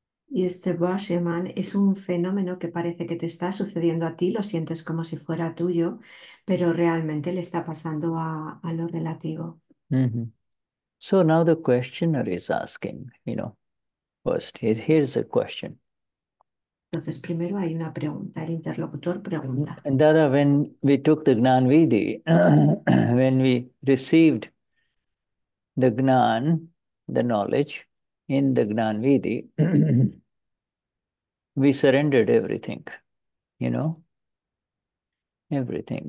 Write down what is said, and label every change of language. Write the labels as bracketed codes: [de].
[es] Y este Bhasyamaan es un fenómeno que parece que te está sucediendo a ti, lo sientes como si fuera tuyo, pero realmente le está pasando a lo relativo. [en] So now the questioner is asking, first, here's a question. [es] Entonces, primero hay una pregunta, el interlocutor pregunta. [en] Dada, when we took the Gnan Vidhi, when we received the Gnan, the knowledge in the Gnan Vidhi, we surrendered everything, Everything.